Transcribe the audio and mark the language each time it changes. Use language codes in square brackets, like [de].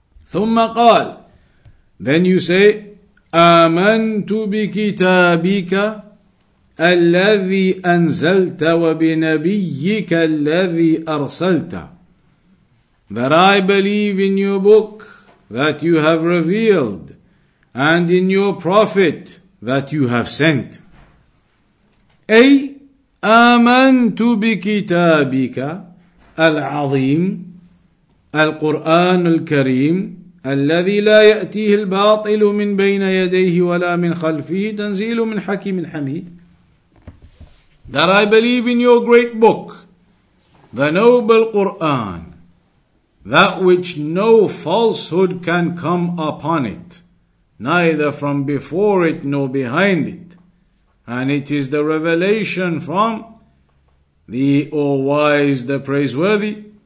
[ar] ثُمَّ قَالَ. [en] Then you say, [ar] آمَنْتُ بِكِتَابِكَ الَّذِي أَنزَلْتَ وَبِنَبِيِّكَ الَّذِي أَرْسَلْتَ. [en] That I believe in your book that you have revealed, and in your prophet that you have sent. [ar] أي آمنت بكتابك العظيم القرآن الكريم الذي لا يأتيه الباطل من بين يديه ولا من خلفه تنزيل من حكيم حميد. [en] That I believe in your great book, the noble Quran, that which no falsehood can come upon it, neither from before it nor behind it. And it is the revelation from the All-Wise, the Praiseworthy.